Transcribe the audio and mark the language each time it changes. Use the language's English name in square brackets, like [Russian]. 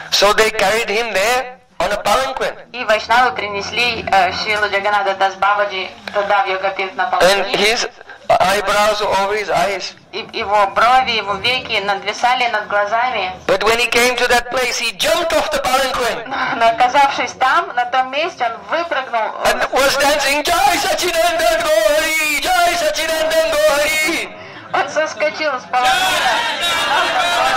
[English] So they carried him there on a palanquin. [Russian] И вайшнавы принесли Шрилу Джаганнатха Дас Бабаджи туда в йога-пирт на паланквин. [English] And his eyebrows over his eyes. [Russian] Его брови, его веки надвисали над глазами. [English] But when he came to that place, he jumped off the palanquin. [Russian] Но оказавшись там, на том месте, он выпрыгнул. [English] And was dancing, Jai Sachinanda Gohari, Jai Sachinanda Gohari. [Russian] Он соскочил с паланквина.